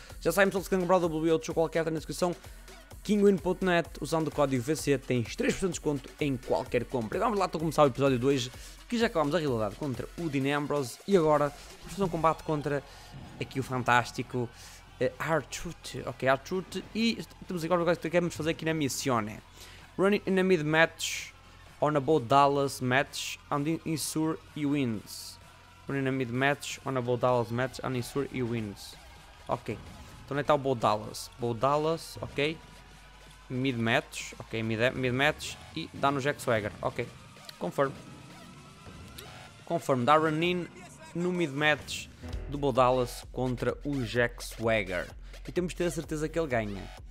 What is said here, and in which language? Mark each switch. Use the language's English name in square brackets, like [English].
[Portuguese] Já sabem, se querem comprar WWE ou qualquer, tem na descrição kingwin.net, usando o código VC, tens 3% de desconto em qualquer compra. E vamos lá, estou a começar o episódio 2, que já acabamos a realidade contra o Dean Ambrose, e agora vamos fazer um combate contra aqui o fantástico R-Truth. Ok, R-Truth, e temos agora o que queremos fazer aqui na Missione. [English] Running in a mid-match, on a Bo Dallas match, and in sure he wins. Running in a mid-match, on a Bo Dallas match, and in sure he wins. [Portuguese] Ok, então onde está o Bo Dallas? Bo Dallas, ok. Mid-match, ok, mid-match, e dá no Jack Swagger, ok, confirmo, dá run-in no mid-match do Bo Dallas contra o Jack Swagger, e temos de ter a certeza que ele ganha.